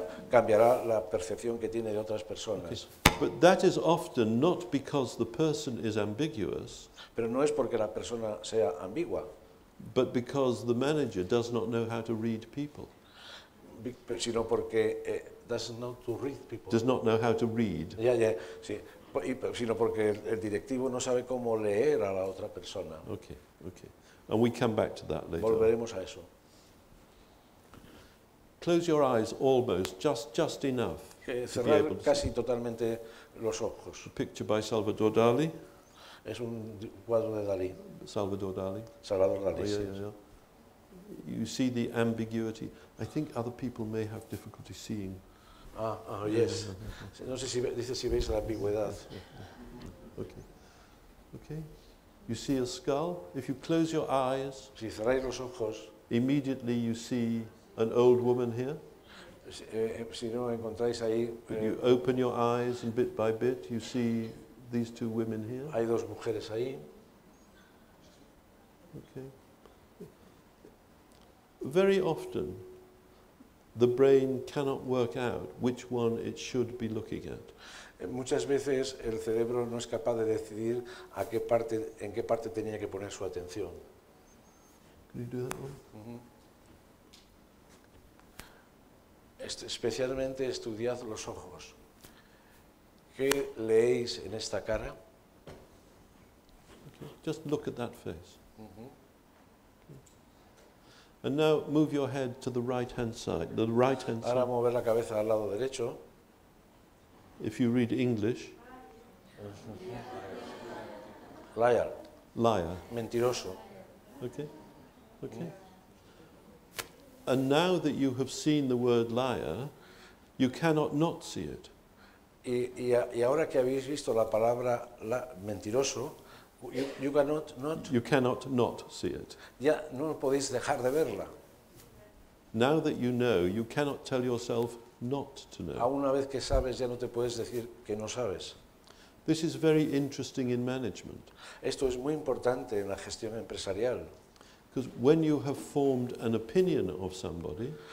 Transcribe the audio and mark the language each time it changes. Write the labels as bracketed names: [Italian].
[Spanish] Cambiará la percepción que tiene de otras personas. [English] Okay. But that is often not because the person is ambiguous. [Spanish] Pero no es porque la persona sea ambigua. [English] But because the manager does not know how to read people. [Spanish] Sino porque [English] does not to read people. Does not know how to read. [Spanish] Sí. Sino porque el directivo no sabe cómo leer a la otra persona. [English] Okay. And we come back to that later. [Spanish] Volveremos a eso. [English] Close your eyes almost, just enough. [Spanish] Cerrar [English] to be able [Spanish] casi [English] to [Spanish] totalmente los ojos. [English] A picture by Salvador Dali. [Spanish] Es un cuadro de Dalí. [English] Salvador Dalí. Oh, yeah. You see the ambiguity. I think other people may have difficulty seeing. Yes. [Spanish] No sé si dice si veis la ambigüedad. [English] Okay. You see a skull. If you close your eyes, [Spanish] si cerráis los ojos, [English] immediately you see an old woman here. [Spanish] Si no encontráis ahí, [English] when you open your eyes and bit by bit you see these two women here. [Spanish] Hay dos mujeres ahí. [English] Okay. Very often the brain cannot work out which one it should be looking at. [Spanish] Muchas veces el cerebro no es capaz de decidir en qué parte tenía que poner su atención. [English] Can you do that one? [Spanish] Especialmente estudiad los ojos. ¿Qué leéis en esta cara? [English] Okay. Just look at that face. And now move your head to the right hand side. The right hand [Spanish] side. Ahora mover la cabeza al lado derecho. [English] If you read English. Liar. Liar. [Spanish] Mentiroso. [English] Okay. Okay. And now that you have seen the word liar, you cannot not see it. [Spanish] Y ahora que habéis visto la palabra mentiroso, [English] you cannot not. You cannot not see it. [Spanish] Ya no podéis dejar de verla. [English] Now that you know, you cannot tell yourself not to know. [Spanish] A una vez que sabes, ya no te puedes decir que no sabes. [English] This is very interesting in management. [Spanish] Esto es muy importante en la gestión empresarial. [English] Because when you have formed an opinion of somebody,